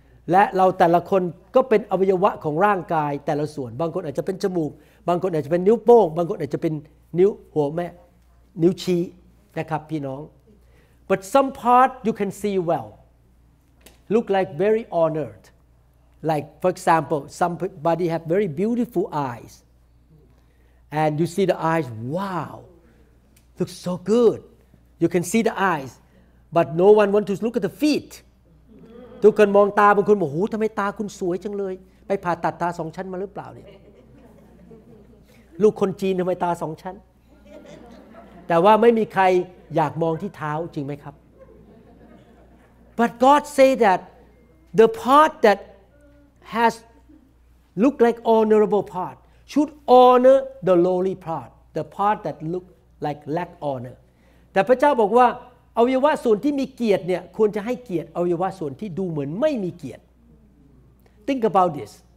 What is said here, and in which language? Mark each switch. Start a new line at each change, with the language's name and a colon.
Thai: และเราแต่ละคนก็เป็นอวัยวะของร่างกายแต่ละส่วนบางคนอาจจะเป็นจมูกบางคนอาจจะเป็นนิ้วโป้งบางคนอาจจะเป็นนิ้วหัวแม่นิ้วชี้นะครับพี่น้อง
English: But some part you can see well, look like very honored. Like, for example, somebody have very beautiful eyes. And you see the eyes, wow, looks so good. You can see the eyes. But no one want to look at the feet.
Thai: ทุกคนมองตาบางคนบอกโอ้ทำไมตาคุณสวยจังเลยไปผ่าตัดตาสองชั้นมาหรือเปล่าเนี่ยลูกคนจีนทำไมตาสองชั้นแต่ว่าไม่มีใครอยากมองที่เท้าจริงไหมครับ
English: But God say that the part thathas look like honorable part should honor the lowly part the part that look like lack honor
Thai: แต่พระเจ้าบอกว่าอวัยวะส่วนที่มีเกียรติเนี่ยควรจะให้เกียรติอวัยวะส่วนที่ดูเหมือนไม่มีเกียรติ
English: think about this